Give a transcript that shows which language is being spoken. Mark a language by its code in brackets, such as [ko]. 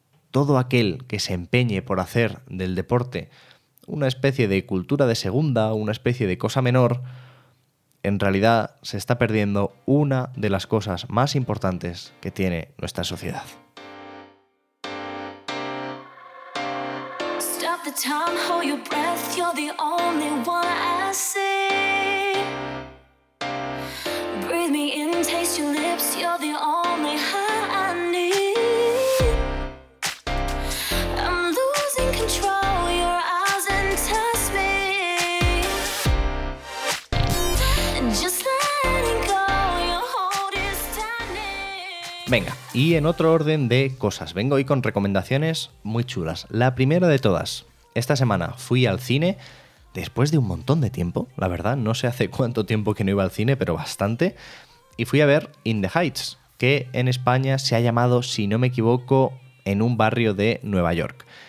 [es] Todo aquel que se empeñe por hacer del deporte una especie de cultura de segunda, una especie de cosa menor, en realidad se está perdiendo una de las cosas más importantes que tiene nuestra sociedad. [en] Stop the time, hold your breath, you're the only one I see. Breathe me in, taste your lips, you're the only high I need. I'm losing control, your eyes entice me. Just letting go, your hold is tiny. [es] Venga, y en otro orden de cosas, vengo hoy con recomendaciones muy chulas. La primera de todas. Esta semana fui al cine, después de un montón de tiempo, la verdad, no sé hace cuánto tiempo que no iba al cine, pero bastante, y fui a ver In the Heights, que en España se ha llamado, si no me equivoco, En un barrio de Nueva York.